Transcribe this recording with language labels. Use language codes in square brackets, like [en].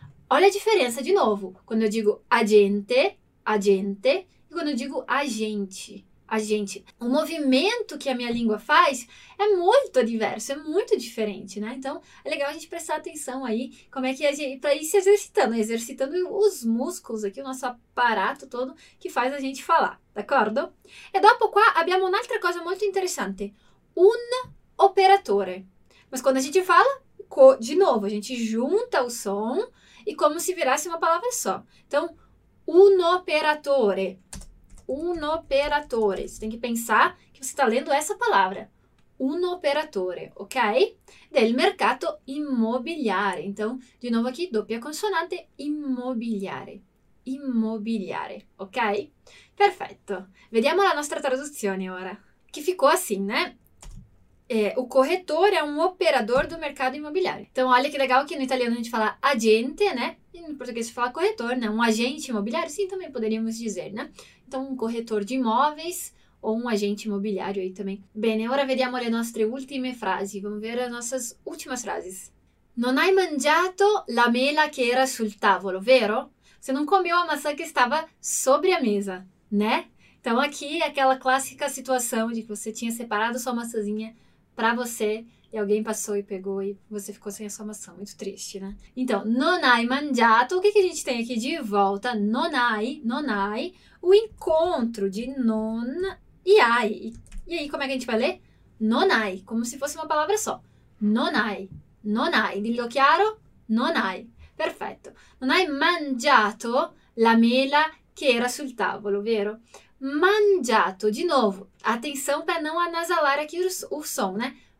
[pt] Olha a diferença de novo, quando eu digo a gente, e quando eu digo a gente. O movimento que a minha língua faz é muito diverso, é muito diferente, né? Então, é legal a gente prestar atenção aí, como é que a gente, para ir se exercitando, exercitando os músculos aqui, o nosso aparato todo que faz a gente falar, [it] d'accordo? E dopo qua abbiamo un'altra cosa molto interessante, un operatore. [pt] Mas quando a gente fala, de novo, a gente junta o som e como se virasse uma palavra só. [it] Então, un operatore. Un operatore. [pt] Você tem que pensar que você está lendo essa palavra. [it] Un operatore, ok? Del mercato immobiliare. [pt] Então, de novo aqui, [it] doppia consonante, immobiliare. Immobiliare, ok? Perfetto. Vediamo la nostra traduzione ora. [pt] Che ficou assim, né? [it] O corretore è un operador do mercato immobiliare. [pt] Então, olha che legal che in italiano a gente fala agente, né? [it] In portoghese si [pt] fala corretore, né? Un agente immobiliare, sim, também poderíamos dizer, né? Então, um corretor de imóveis ou um agente imobiliário aí também. [it] Bene, ora vediamo le nostre ultime frasi. [pt] Vamos ver as nossas últimas frases. Non hai mangiato la mela che era sul tavolo, vero? Você não comeu a maçã que estava sobre a mesa, né? Então, aqui aquela clássica situação de que você tinha separado sua maçãzinha para você e alguém passou e pegou e você ficou sem a sua maçã. Muito triste, né? Então, [it] non hai mangiato. [pt] O que que a gente tem aqui de volta? Non hai. O encontro de non e ai. E aí, como é que a gente vai ler? Non hai. Como se fosse uma palavra só. [it] Non hai. Non hai. Dillo chiaro? Non hai. Perfetto. Non hai mangiato la mela che era sul tavolo, vero? Mangiato. [pt] De novo, atenção para não anasalar aqui o som, né?